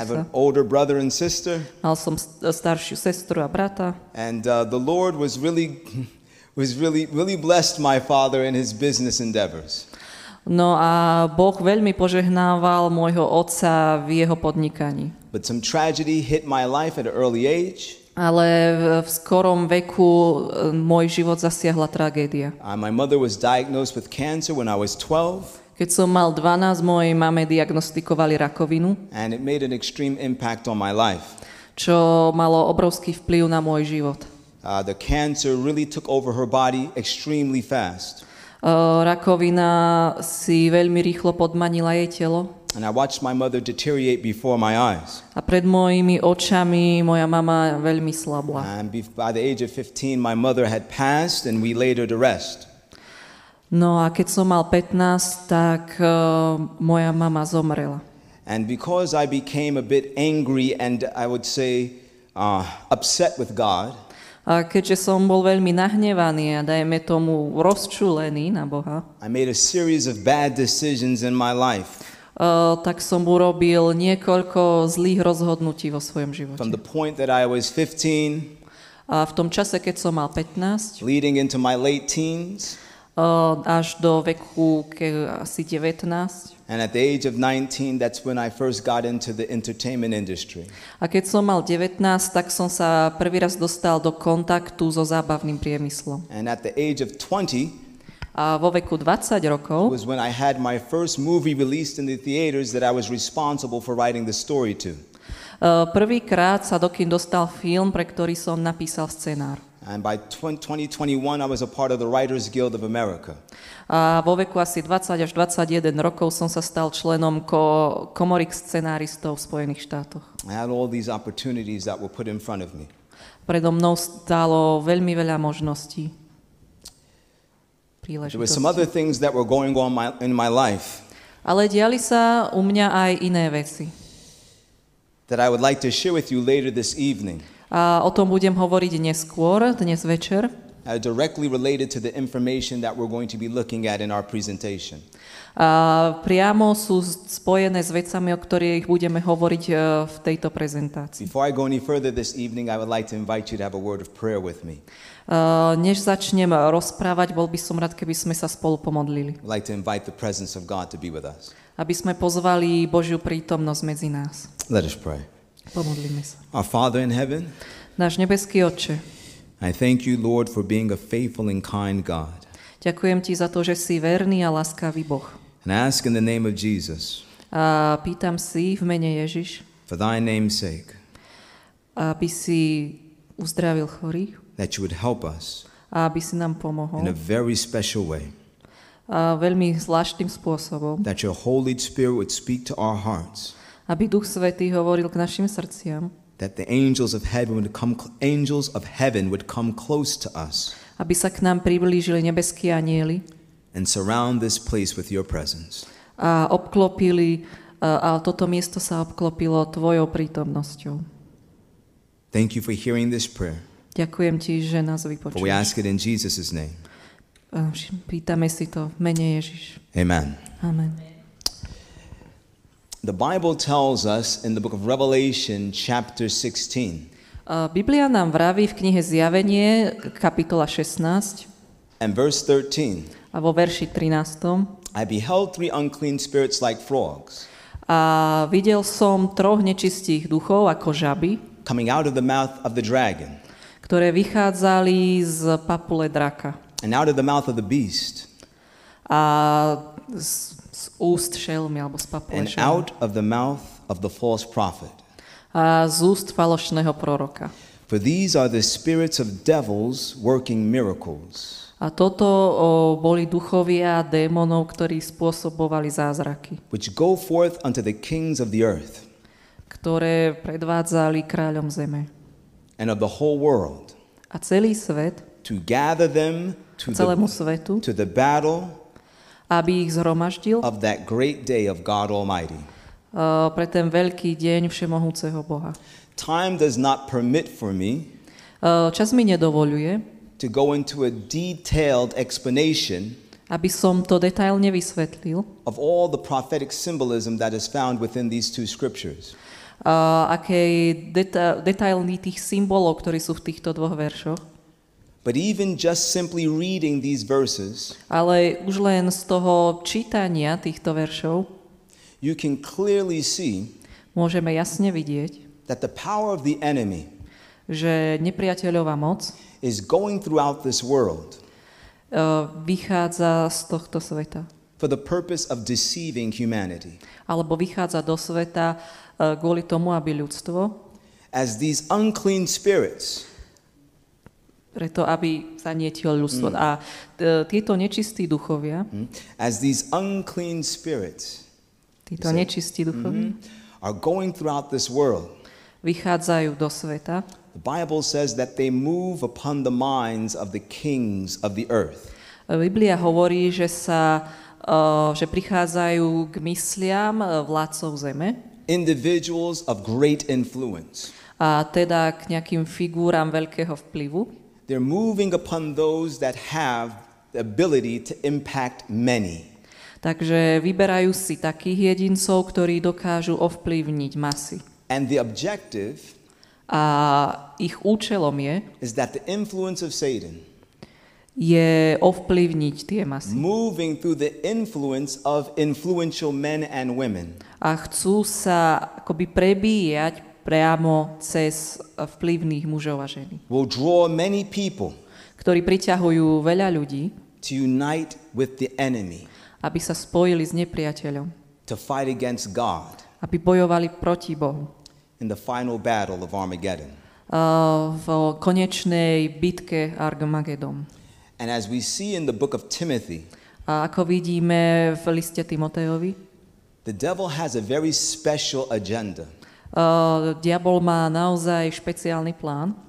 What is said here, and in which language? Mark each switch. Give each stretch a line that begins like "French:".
English: I have an older brother and sister.
Slovak: Mal som staršiu sestru a brata.
English: And the Lord was really blessed my father in his business endeavors.
Slovak: No a Boh veľmi požehnával môjho otca v jeho podnikaní.
English: But some tragedy hit my life at an early age.
Slovak: Ale v skorom veku môj život zasiahla tragédia.
English: My mother was diagnosed with cancer when I was 12.
Slovak: Keď som mal 12, mojej mame diagnostikovali rakovinu.
English: And it made an extreme impact on my life.
Slovak: Čo malo obrovský vplyv na môj život.
English: The cancer really took over her body extremely fast.
Slovak: Rakovina si veľmi rýchlo podmanila jej telo.
English: And I watched my mother deteriorate before my eyes.
Slovak: A pred mojimi očami moja mama veľmi slabla.
English: And by the age of 15, my mother had passed and we laid her to rest.
Slovak: No a keď som mal 15, tak moja mama zomrela.
English: And because I became a bit angry and I would say upset with God.
Slovak: A keďže som bol veľmi nahnevaný a dajme tomu rozčulený na Boha.
English: I made a series of bad decisions in my life.
Slovak: Tak som urobil niekoľko zlých rozhodnutí vo svojom živote.
English: From the point that I was 15,
Slovak: a v tom čase, keď som mal 15,
English: leading into my late teens,
Slovak: až do veku asi 19,
English: and at the age of 19, that's when I first got into the entertainment industry.
Slovak: A keď som mal 19, tak som sa prvý raz dostal do kontaktu so zábavným priemyslom.
English: And at the age of 20,
Slovak: a vo veku 20 rokov
English: was when I had my first movie released in the theaters that I was responsible for writing the story to.
Slovak: Prvýkrát sa do kín dostal film, pre ktorý som napísal scenár.
English: And by 2021 I was a part of the Writers Guild of America.
Slovak: A vo veku asi 20 až 21 rokov som sa stal členom komory scenáristov v Spojených štátoch.
English: I had all these opportunities that were put in front of me.
Slovak: Predo mnou stálo veľmi veľa možností.
English: There were some other things that were going on in my life.
Slovak: Ale diali sa u mňa aj iné veci.
English: That I would like to share with you later this evening.
Slovak: A o tom budem hovoriť neskôr, dnes večer.
English: Directly related to the information that we're going to be looking at in our presentation.
Slovak: A priamo sú spojené s vecami, o ktorých budeme hovoriť v tejto prezentácii.
English: Before I go any further this evening, I would like to invite you to have a word of prayer with me.
Slovak: Než začnem rozprávať, bol by som rád, keby sme sa spolu pomodlili.
English: I'd like to invite the presence of God to be with us.
Slovak: Aby sme pozvali Božiu prítomnosť medzi nás.
English: Let us pray.
Slovak: Pomodlíme sa.
English: Our Father in heaven,
Slovak: náš nebeský Otče,
English: I thank you, Lord, for being a faithful and kind God.
Slovak: Ďakujem ti za to, že si verný a láskavý Boh.
English: And ask in the name of Jesus.
Slovak: A pýtam si v mene Ježiš.
English: For thy name's sake.
Slovak: Aby si uzdravil chorých.
English: That you would help us.
Slovak: A aby si nám pomohol.
English: In a very special way.
Slovak: veľmi zvláštnym spôsobom.
English: That your Holy Spirit would speak to our hearts.
Slovak: Aby Duch Svätý hovoril k našim srdciam.
English: That the angels of heaven would come, angels of heaven would come close to us.
Slovak: Aby sa k nám priblížili nebeskí anjeli.
English: And surround this place with your presence.
Slovak: A obklopili a toto miesto sa obklopilo tvojou prítomnosťou.
English: Thank you for hearing this prayer.
Slovak: Ďakujem ti, že nás vypočuješ.
English: For we ask it in Jesus' name.
Slovak: Pýtame si to v mene Ježiš.
English: Amen.
Slovak: Amen.
English: The Bible tells us in the book of Revelation chapter 16.
Slovak: Biblia nám vraví v knihe Zjavenie kapitola 16.
English: And verse 13.
Slovak: A vo verši 13.
English: I beheld three unclean spirits like frogs.
Slovak: A videl som troch nečistých duchov ako žaby.
English: Coming out of the mouth of the dragon.
Slovak: Ktoré vychádzali z papule draka.
English: And out of the mouth of the beast.
Slovak: A z úst šelmy alebo z papule šelmy.
English: And out of the mouth of the false prophet.
Slovak: A z úst falošného proroka.
English: For these are the spirits of devils working miracles.
Slovak: A toto boli duchovia démonov, ktorí spôsobovali zázraky.
English: Which go forth unto the kings of the earth.
Slovak: Ktoré predvádzali kráľom zeme.
English: And of the whole world.
Slovak: A celý svet.
English: To gather them to
Slovak: celému svetu,
English: to the battle,
Slovak: aby ich zhromaždil,
English: of that great day of God Almighty.
Slovak: Pre ten veľký deň všemohúceho Boha.
English: Time does not permit for me,
Slovak: čas mi nedovoľuje,
English: to go into a detailed explanation,
Slovak: aby som to detailne vysvetlil,
English: of all the prophetic symbolism that is found within these two scriptures.
Slovak: Detailný tých symbolov, ktorí sú v týchto dvoch veršoch.
English: But even just simply reading these verses,
Slovak: ale už len z toho čítania týchto veršov,
English: you can clearly see,
Slovak: môžeme jasne vidieť,
English: that the power of the enemy,
Slovak: že nepriateľová moc,
English: is going throughout this world,
Slovak: vychádza z tohto sveta,
English: for the purpose of deceiving humanity,
Slovak: alebo vychádza do sveta kvôli tomu, aby ľudstvo,
English: as these unclean spirits,
Slovak: preto aby zanietil ľudstvo. A tieto nečistí duchovia,
English: as these unclean spirits,
Slovak: títo nečistí duchovia,
English: are going throughout this world,
Slovak: vychádzajú do sveta.
English: The Bible says that they move upon the minds of the kings of the earth.
Slovak: Biblia hovorí, že sa že prichádzajú k mysliam vládcov zeme.
English: Individuals of great influence.
Slovak: A teda k nejakým figurám veľkého vplyvu.
English: They're moving upon those that have the ability to impact many.
Slovak: Takže vyberajú si takých jedincov, ktorí dokážu ovplyvniť masy.
English: And the objective,
Slovak: a ich účelom je,
English: is that the influence of Satan,
Slovak: je ovplyvniť tie masy.
English: Moving through the influence of influential men and women.
Slovak: A chcú sa akoby prebíjať priamo cez vplyvných mužov a ženy.
English: Will draw many people,
Slovak: ktorí priťahujú veľa ľudí,
English: to unite with the enemy,
Slovak: aby sa spojili s nepriateľom,
English: to fight against God,
Slovak: aby bojovali proti Bohu,
English: in the final battle of Armageddon,
Slovak: v konečnej bitke Armagedon.
English: And as we see in the book of Timothy,
Slovak: a ako vidíme v liste Timoteovi,
English: the devil has a very special agenda.
Slovak: Diabol má naozaj špeciálny plán.